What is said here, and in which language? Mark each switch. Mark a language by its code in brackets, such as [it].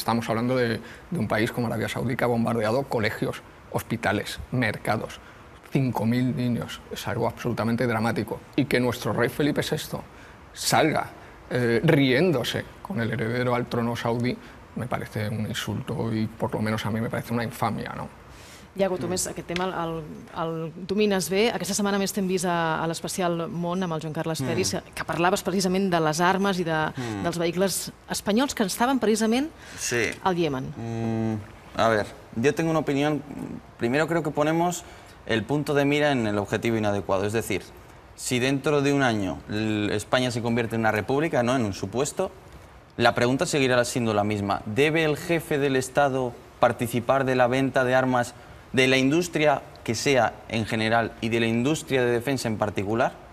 [es] Estamos hablando de un país como Arabia Saudí que ha bombardeado colegios, hospitales, mercados, 5.000 niños. Es algo absolutamente dramático. Y que nuestro rey Felipe VI salga riéndose con el heredero al trono saudí me parece un insulto y por lo menos a mí me parece una infamia, ¿no? [ca] Iago, tu més aquest tema el domines bé. Aquesta setmana més t'hem vist a l'Especial Món amb el Joan Carles Peris, que parlaves precisament de les armes i dels vehicles espanyols que estaven precisament al Yemen. [es] A ver, yo tengo una opinión. Primero creo que ponemos el punto de mira en el objetivo inadecuado. Es decir, si dentro de un año España se convierte en una república, ¿no?, en un supuesto, la pregunta seguirá siendo la misma. ¿Debe el jefe del Estado participar de la venta de armas de la industria que sea en general y de la industria de defensa en particular?